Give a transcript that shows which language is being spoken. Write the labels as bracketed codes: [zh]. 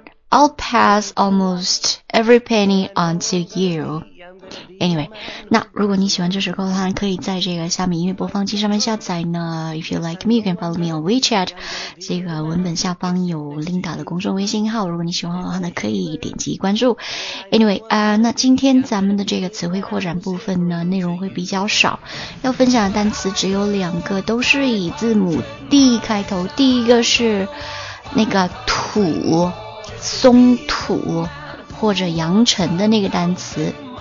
[en] I'll pass almost every penny on to you. [zh] Anyway, 那如果你喜欢这首歌的话，可以在这个虾米音乐播放器上面下载呢。 [en] If you like me, you can follow me on WeChat. [zh] 这个文本下方有 Linda 的公众微信号，如果你喜欢的话呢，可以点击关注。 Anyway, 那今天咱们的这个词汇扩展部分呢，内容会比较少，要分享的单词只有两个，都是以字母 D 开头。第一个是那个土，松土或者扬尘的那个单词。